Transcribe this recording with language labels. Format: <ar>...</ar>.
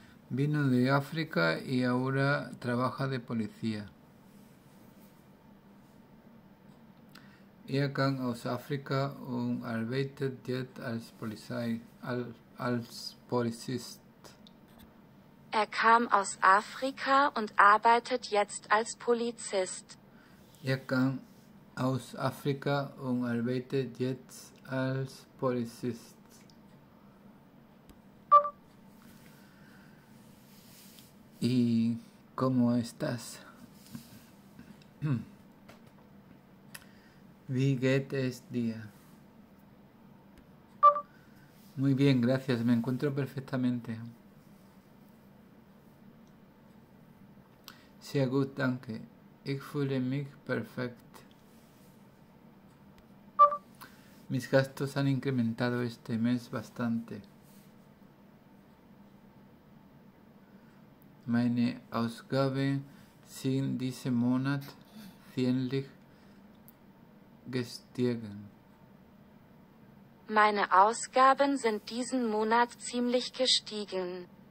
<es>Vino de África y ahora trabaja de policía.</es> <de>Er kam aus Afrika und arbeitet jetzt als Polizei, als Polizist. Er kam aus Afrika und arbeitet jetzt als Polizist. Er kam aus Afrika und arbeitet jetzt als Polizist.</de> <es>Y cómo estás?</es> <de>Wie geht es dir?</de> <es>Muy bien, gracias. Me encuentro perfectamente.</es> <de>Sehr gut, danke. Ich fühle mich perfekt.</de> <es>Mis gastos han incrementado este mes bastante.</es> <de>Meine Ausgabe sind diesen Monat ziemlich gestiegen. Meine Ausgaben sind diesen Monat ziemlich gestiegen.</de>